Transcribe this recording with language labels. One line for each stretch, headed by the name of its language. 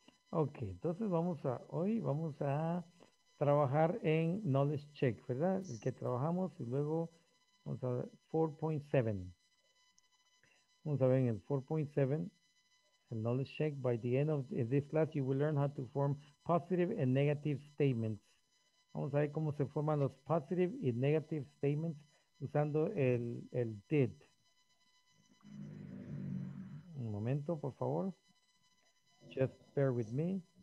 Spanish: Ok, entonces hoy vamos a trabajar en Knowledge Check, ¿verdad? El que trabajamos y luego vamos a ver 4.7. Vamos a ver en el 4.7, el Knowledge Check.
English: By the end of this class, you will learn how to form positive and negative statements.
Spanish: Vamos a ver cómo se forman los positive y
English: negative statements
Spanish: usando el did. Un momento, por favor.
English: Just bear with me.